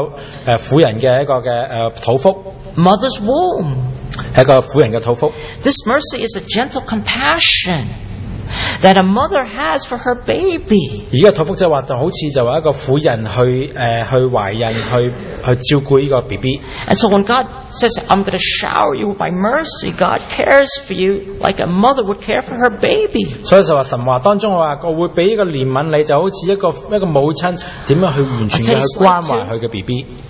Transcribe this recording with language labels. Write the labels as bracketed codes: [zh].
[zh] 在希伯来文里面当中，这个怜悯意思是代表了一个妇人的肚腹。 [en] Mother's womb. [zh] 是一个妇人的肚腹。 [en] This mercy is a gentle compassion that a mother has for her baby. [zh] 这个肚腹就好像一个妇人去怀孕，去照顾这个BB。 [en] And so when God says, I'm going to shower you with my mercy, God cares for you like a mother would care for her baby. [zh] 所以神话当中，我会给这个怜悯你，就好像一个母亲怎样去完全的关怀她的BB。